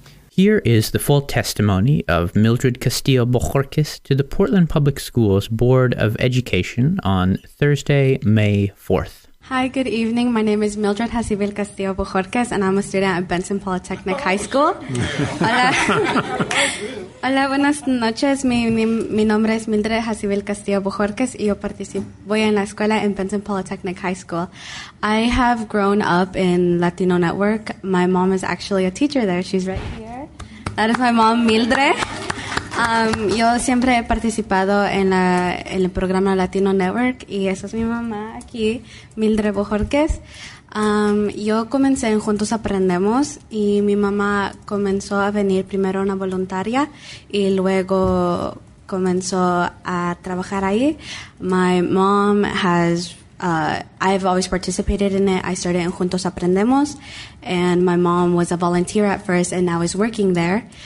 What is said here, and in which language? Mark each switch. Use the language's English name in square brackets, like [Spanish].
[English] Here is the full testimony of Mildred Castillo-Bojorquez to the Portland Public Schools Board of Education on Thursday, May 4th. Hi, good evening. My name is Mildred Jacibel Castillo-Bojorquez, and I'm a student at Benson Polytechnic High School. [Spanish] Hola. Hola, buenas noches. Mi nombre es Mildred Jacibel Castillo-Bojorquez, y yo voy en la escuela en Benson Polytechnic High School. [English] I have grown up in Latino Network. My mom is actually a teacher there. She's right here. That is my mom, Mildred. [Spanish] Yo siempre he participado en el programa Latino Network, y esa es mi mamá aquí, Mildred Bojorquez. Yo comencé en Juntos Aprendemos, y mi mamá comenzó a venir primero una voluntaria, y luego comenzó a trabajar ahí. [English] My mom has... I've always participated in it. I started in Juntos Aprendemos, and my mom was a volunteer at first and now is working there.